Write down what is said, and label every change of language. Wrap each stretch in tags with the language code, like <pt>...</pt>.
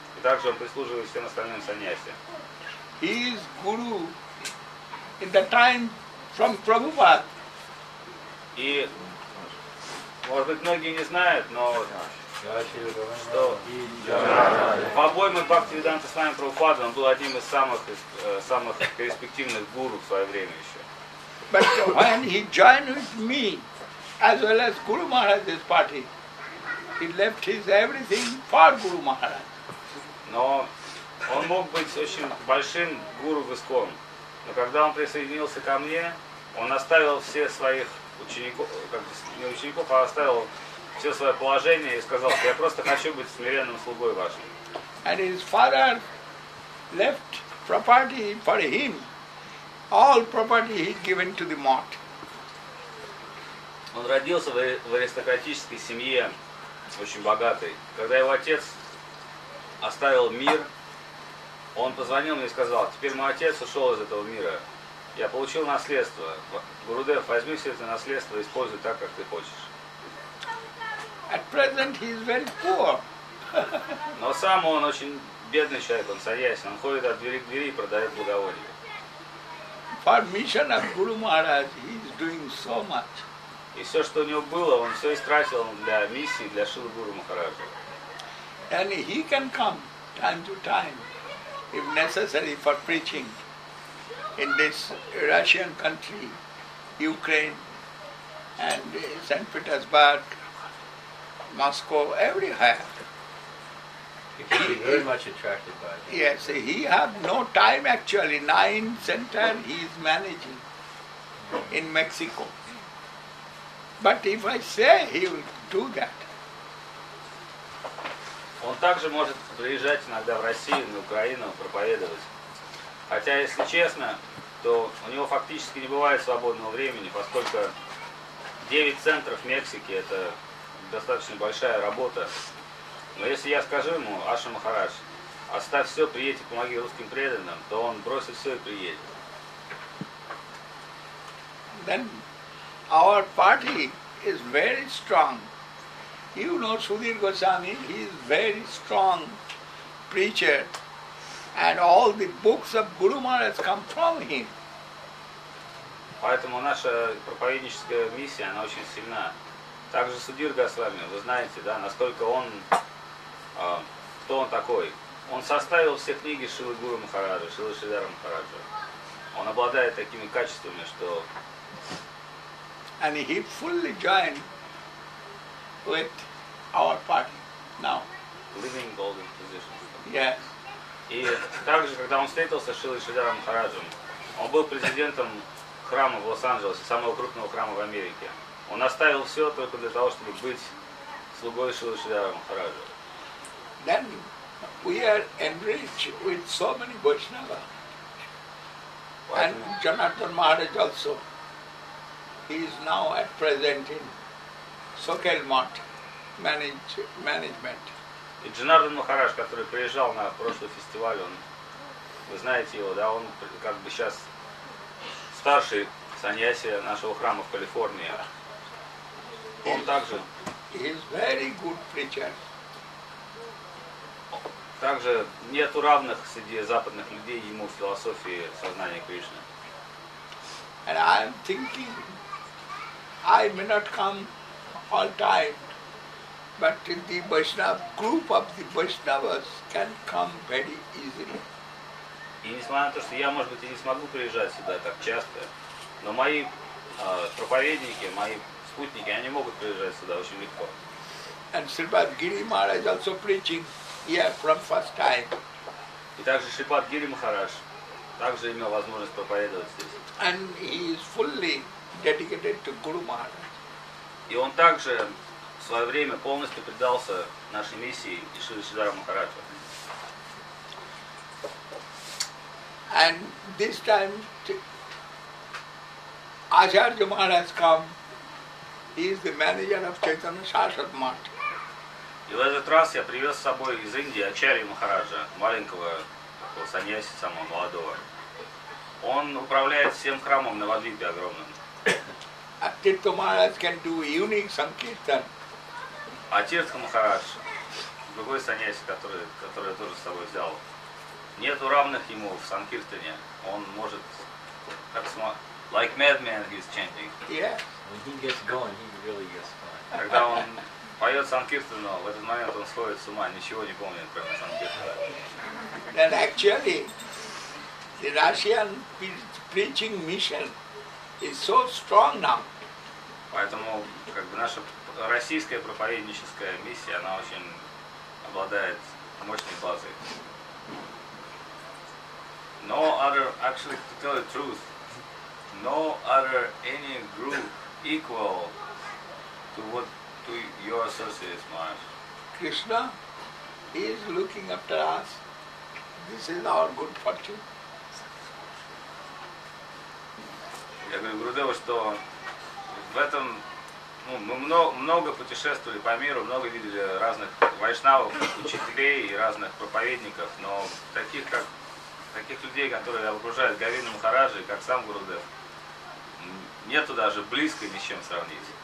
<ru>И также он прислуживает всем остальным саньяси.</ru> <en>He is guru in the time from Prabhupada.</en> <ru>И, может быть, многие не знают, но что в обойме Бхактивиданта с вами Прабхупада он был одним из самых перспективных гуру в свое время еще.</ru> <en>But when he joined with me, as well as Guru Maharaj's party, he left his everything for Guru Maharaj.</en> <ru>Но он мог быть очень большим гуру в ИСКОН. Но когда он присоединился ко мне, он оставил все своих учеников, как бы не учеников, а оставил все свое положение и сказал, я просто хочу быть смиренным слугой вашим.</ru> <en>And his father left property for him. All property he'd given to the mart.</en> <ru>Он родился в аристократической семье, очень богатой. Когда его отец оставил мир, он позвонил мне и сказал, теперь мой отец ушел из этого мира. Я получил наследство. Гурудев, возьми все это наследство и используй так, как ты хочешь.</ru> <en>At present he is very poor.</en> <ru>Но сам он очень бедный человек, он саньяси. Он ходит от двери к двери и продает благовония.</ru> <en>For mission of Guru Maharaj, he is doing so much.</en> <ru>И все, что у него было, он все истратил для миссии, для Шилы Гуру Махараджа.</ru> <en>And he can come time to time, if necessary, for preaching in this Russian country, Ukraine, and St. Petersburg, Moscow, everywhere. He's very much attracted by it. Yes, he has no time actually. 9 centers he is managing in Mexico. But if I say, he will do that.</en> <ru>Он также может приезжать иногда в Россию, на Украину, проповедовать. Хотя, если честно, то у него фактически не бывает свободного времени, поскольку 9 центров Мексики — это достаточно большая работа. Но если я скажу ему, Аша Махарадж, оставь все, приедь и помоги русским преданным, то он бросит все и приедет.</ru> <en>Then our party is very strong. You know Sudhir Goswami, he is very strong preacher. And all the books of Guru Maharaj come from him.</en> <ru>Поэтому наша проповедническая миссия, она очень сильна. Также Судир Госвами, вы знаете, да, насколько он... Кто он такой? Он составил все книги Шилы Гуру Махараджа, Шилы Шридхара Махараджа. Он обладает такими качествами, что...</ru> <en>And he fully joined with our party now. Living golden position. Yes.</en> <ru>И также, когда он встретился с Шилой Шридхара Махараджем, он был президентом храма в Лос-Анджелесе, самого крупного храма в Америке. Он оставил все только для того, чтобы быть слугой Шилы Шридхара Махараджа.</ru> <en>Then we are enriched with so many Vaishnava. And Janardhan Maharaj also. He is now at present in Sokel Mart management.</en> <ru>И Джанардан Махарадж, который приезжал на прошлый фестиваль, он, вы знаете его, да, он как бы сейчас старший саньяси нашего храма в Калифорнии. Он также</ru> <en>is very good preacher.</en> <ru>Также нету равных среди западных людей ему в философии сознания Кришны.</ru> <en>And I am thinking, I may not come all time, but till the Vaishnava, group of the Vaishnavas can come very easily.</en> <ru>И несмотря на то, что я, может быть, и не смогу приезжать сюда так часто, но мои проповедники, мои спутники, они могут приезжать сюда очень легко.</ru> <en>And Sripad Giri Maharaj also preaching here from first time.</en> <ru>И также Шрипад Гири Махарадж также имел возможность проповедовать здесь.</ru> <en>And he is fully dedicated to Guru Maharaj.</en> <ru>И он также в свое время полностью предался нашей миссии и Шри Сиддхарта Махараджа.</ru> <en>And this time Acharya Maharaj has come. He is the manager of Chaitanya Sarasvat Math.</en> <ru>И в этот раз я привез с собой из Индии Ачарью Махараджа, маленького такого саньяси, самого молодого. Он управляет всем храмом на Вадвипе огромным.</ru> <en>Атирта Махарадж can do unique sankirtan.</en> <ru>Атирта Махарадж, другой саньяси, который я тоже с собой взял, нету равных ему в санкиртане. Он может, как</ru> <en>like madman, he's chanting. Yeah. When he gets going, he really gets going.</en> <ru>Когда он поет санкиртану, в этот момент он сходит с ума, ничего не помнит, кроме санкиртана.</ru> <en>Then actually, the Russian preaching mission is so strong now.</en> <ru>Поэтому как бы наша российская проповедническая миссия, она очень обладает мощной базой.</ru> <en>No other, actually, to tell the truth, no other any group equal to what to your associates, Maharaj. Krishna, he is looking after us. This is our good fortune.</en> <ru>Я говорю Гурудеву, что в этом, ну, мы много путешествовали по миру, много видели разных вайшнавов, учителей и разных проповедников, но таких людей, которые окружают Говинда Махараджа, как сам Гурудев, нету даже близко ни с чем сравнить.</ru>